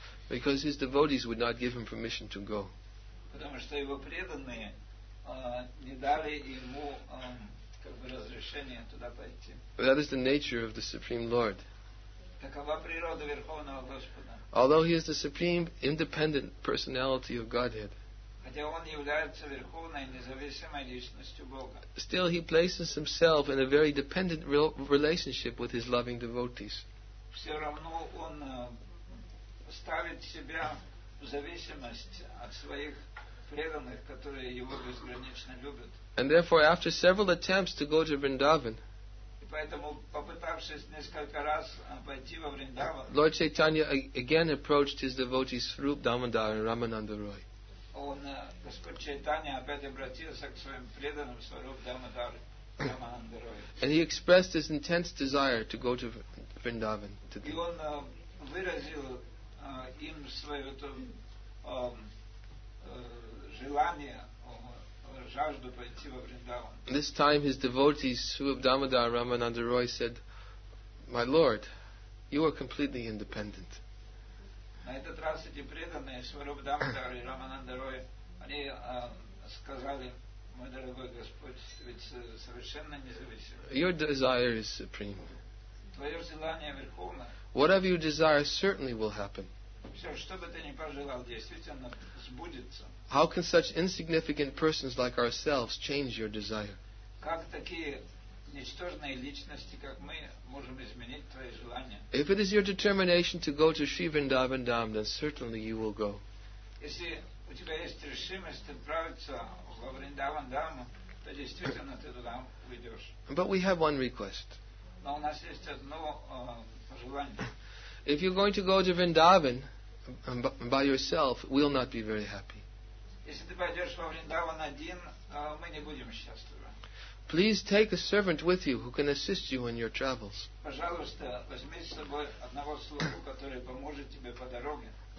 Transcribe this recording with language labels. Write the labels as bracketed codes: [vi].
[en] Because his devotees would not give him permission to go. [ru] Потому что его преданные не дали ему как бы разрешения туда пойти. [en] That is the nature of the Supreme Lord. [ru] Такова природа Верховного Господа. [en] Although he is the supreme independent personality of Godhead. [ru] Хотя он является верховной независимой личностью Бога. [en] Still he places himself in a very dependent relationship with his loving devotees. [ru] Все равно он ставит себя в зависимость от своих преданных, которые его безгранично любят. [en] And therefore, after several attempts to go to Vrindavan, [ru] и поэтому, попытавшись несколько раз пойти во Вриндаван, [en] Lord Chaitanya again approached his devotees Srup Damodar and Ramananda Roy. [ru] Он, Господь Чайтанья опять обратился к своим преданным Сваруп Дамодар и Рамананда Рой. [en] And he expressed his intense desire to go to Vrindavan. [ru] И он выразил им свое то желание, жажду пойти во Вриндаван. [en] This time his devotees, Srup Damodar Ramananda Roy, said, "My Lord, you are completely independent." [ru] На этот раз эти преданные Сварупдамдары и Рамананда Роя, они сказали: мой дорогой Господь, ведь совершенно независимо. [en] Your desire is supreme. [ru] Твое желание верховно. [en] Whatever you desire certainly will happen. [ru] Все, что бы ты ни пожелал, действительно сбудется. [en] How can such insignificant persons like ourselves change your desire? [ru] Как такие ничтожные личности, как мы, можем изменить твои желания? [en] If it is your determination to go to Sri Vrindavan Dham, then certainly you will go. [ru] Если у тебя есть решимость отправиться во Вриндаван Дам, то действительно ты туда уйдешь. [en] But we have one request. [ru] Но у нас есть одно пожелание. [en] If you're going to go to Vrindavan by yourself, we'll not be very happy. [ru] Если ты пойдешь во Вриндаван один, мы не будем счастливы. [en] Please take a servant with you who can assist you in your travels. [ru] Пожалуйста, возьми с собой одного слугу, который поможет тебе по дороге.